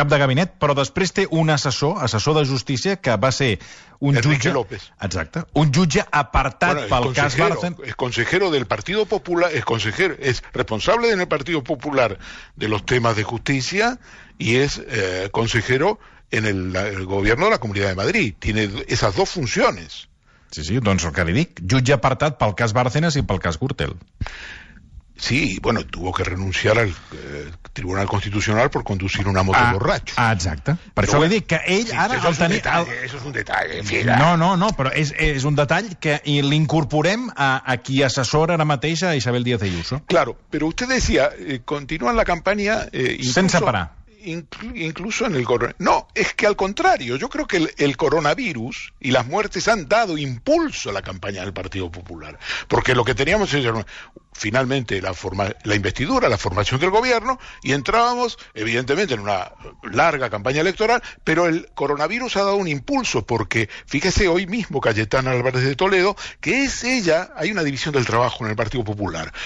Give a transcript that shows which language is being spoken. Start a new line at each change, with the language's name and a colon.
Catalan: Cap de gabinet, però després té un assessor de justícia, que va ser un Enrique jutge... López. Exacte, un jutge apartat pel cas Bárcenas.
Spanish: Es consejero del Partido Popular, es responsable en el Partido Popular de los temas de justicia y es consejero en el gobierno de la Comunidad de Madrid. Tiene esas dos funciones.
Catalan: Sí, sí, doncs el que li dic, jutge apartat pel cas Bárcenas i pel cas Gürtel.
Spanish: Sí, bueno, tuvo que renunciar al Tribunal Constitucional por conducir una moto borracho.
Catalan: Ah, exacte. Per això li dic que ell ara... Això és un detall, això és un detall. No, però és un detall que l'incorporem a qui assessora ara mateix a Isabel Díaz Ayuso.
Spanish: Claro, pero usted decía, continúan la campaña...
Catalan: Sense parar.
Spanish: Incluso en el coronavirus. No, es que al contrario, yo creo que el coronavirus y las muertes han dado impulso a la campaña del Partido Popular. Porque lo que teníamos es finalmente la investidura, la formación del gobierno, y entrábamos, evidentemente, en una larga campaña electoral, pero el coronavirus ha dado un impulso, porque fíjese hoy mismo Cayetana Álvarez de Toledo, que es ella, hay una división del trabajo en el Partido Popular.